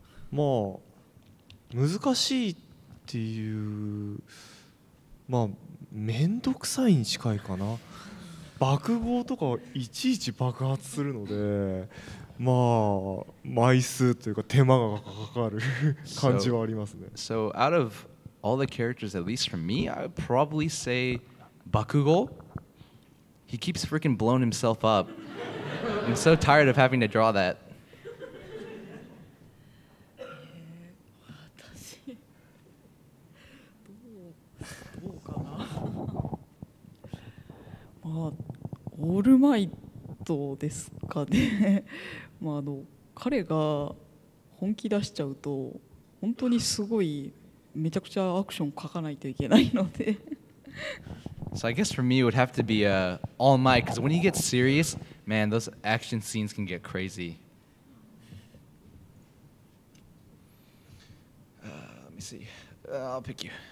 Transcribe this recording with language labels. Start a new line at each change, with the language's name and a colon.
Japanese: まあ難しいっていう、まあめんどくさいに近いかな。爆豪とかいちいち爆発するので、まあ枚数というか手間がかかる感じはありますね。
English: So out of all the characters, at least for me, I would probably say 爆豪? He keeps freaking blowing himself up. I'm so tired of having to draw that.
Japanese: 私まあ、オールマイトですかね。まあ、彼が本気出しちゃうと本当にすごいめちゃくちゃアクション書かないといけないので。
English: So I guess for me it would have to be All Might, because when he gets serious, man, those action scenes can get crazy. Let me see. I'll pick you.